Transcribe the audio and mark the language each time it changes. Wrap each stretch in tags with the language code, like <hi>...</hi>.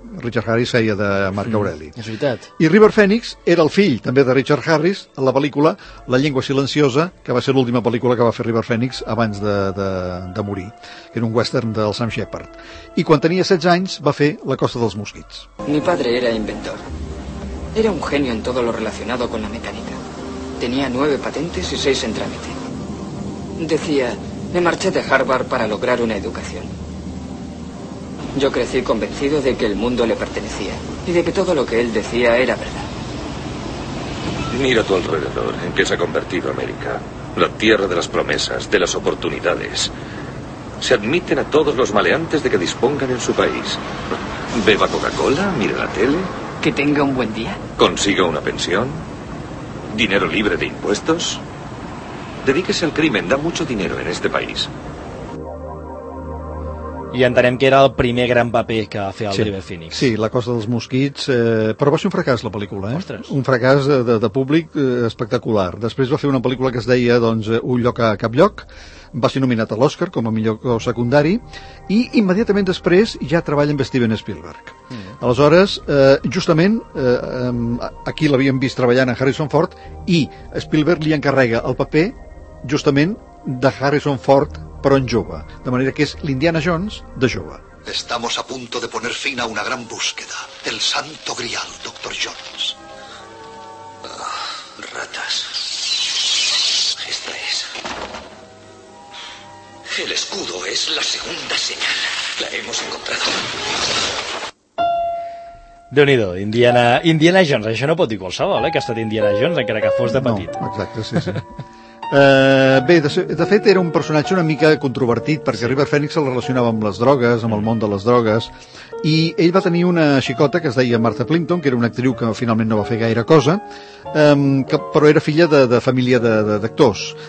<ca>Richard Harris feia de Marc Aureli. És veritat. I River Phoenix era el fill també de Richard Harris en la pel·lícula La llengua silenciosa, que va ser l'última pel·lícula que va fer River Phoenix abans de morir, que era un western del Sam Shepard. I quan tenia 16 anys va fer La costa dels mosquits.</ca> <es>Mi padre era inventor. Era un genio en todo lo relacionado con la mecánica. Tenía 9 patentes y 6 en trámite. Decía, me marché de Harvard para lograr una educación. Yo crecí convencido de que el mundo le pertenecía y de que todo lo que él decía era verdad. Mira a tu alrededor, ¿en qué se ha convertido América? La tierra de las promesas, de las oportunidades. Se admiten a todos los maleantes de que dispongan en su país. Beba Coca-Cola, mire la tele. Que tenga un buen día. Consiga una pensión. Dinero libre de impuestos. Dedíquese al crimen, da mucho dinero en este país.</es> <ca>I entenem que era el primer gran paper que va fer el River Phoenix. Sí, La costa dels mosquits, però va ser un fracàs la pel·lícula, eh? Ostres. Un fracàs de públic espectacular. Després va fer una pel·lícula que es deia doncs, Un lloc a cap lloc, va ser nominat a l'Oscar com a millor secundari, i immediatament després ja treballa amb Steven Spielberg. Aleshores, justament, aquí l'havíem vist treballant en Harrison Ford, i Spielberg li encarrega el paper justament de Harrison Ford, però en jove, de manera que és l'Indiana Jones de jove.</ca> <es>Estamos a punto de poner fin a una gran búsqueda. El Santo Grial, Dr. Jones. Ratas. Esta es. El escudo es la segunda señal. La hemos encontrado.</es> <ca>Déu-n'hi-do, Indiana Jones. Això no pot dir qualsevol, que ha estat Indiana Jones, encara que fos de petit. No, exacte, sí, sí. Bé, de fet era un personatge una mica controvertit, perquè River Phoenix el relacionava amb les drogues, amb el món de les drogues, i ell va tenir una xicota que es deia Martha Plimpton, que era una actriu que finalment no va fer gaire cosa, però era filla de família d'actors.</ca>